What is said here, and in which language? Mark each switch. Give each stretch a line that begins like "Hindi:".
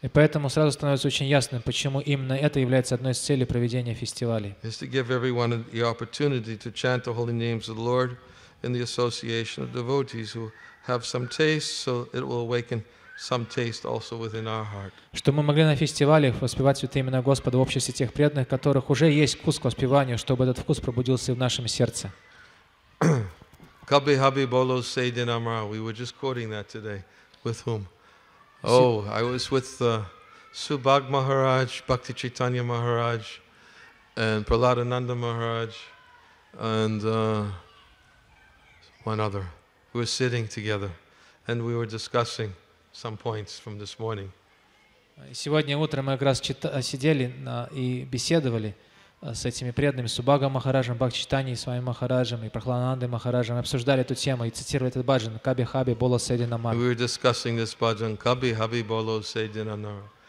Russian: И поэтому сразу становится очень ясным, почему именно это является одной из целей проведения фестивалей.
English: Is to give everyone the opportunity to chant the holy names of the Lord in the association of devotees who have some taste, so it will awaken some taste also within our heart.
Russian: Чтобы мы могли на фестивалях воспевать святые имена Господа в обществе тех преданных, которых уже есть вкус к воспеванию, чтобы этот вкус пробудился и в нашем сердце.
Bangla: Kabhi habi bolo se din amra.
English: We were just quoting that today. With whom? Oh, I was with Subhag Maharaj, Bhakti Chaitanya Maharaj, and Prahladananda Maharaj, and one other. We were sitting together, and we were discussing some points from this morning.
Russian: Сегодня утром мы как раз сидели и беседовали с этими преданными, Субхагом Махараджем, Бхакти Чайтаньей, Свами Махараджем и Прахланандой Махараджем. Мы обсуждали эту тему и цитировали этот баджан «Каби хаби боло сэйди намар».
English: We were discussing this
Russian: баджан «Каби хаби боло сэйди намар».